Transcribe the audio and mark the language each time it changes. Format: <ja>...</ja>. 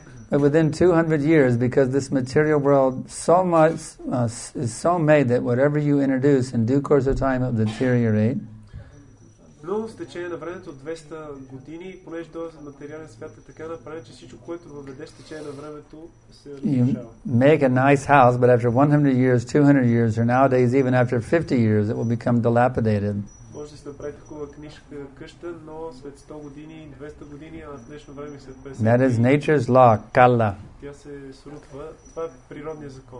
<en>But within 200 years, because this material world so much is so made that whatever you introduce in due course of time will deteriorate.</en> <bg>Но с течение на времето от 200 години, понеже този материален свят е така направен, че всичко, което въведеш, с течение на времето се разрушава.</bg> <en>You make a nice house, but after 100 years, 200 years, or nowadays even after 50 years, it will become dilapidated.</en> <bg>Може да си направи такова книжка къща, но след 100 години, 200 години, а в днешно време след 50 години.</bg> <en>That is nature's law, kala.</en> <bg>Тя се срутва. Това е природният закон.</bg>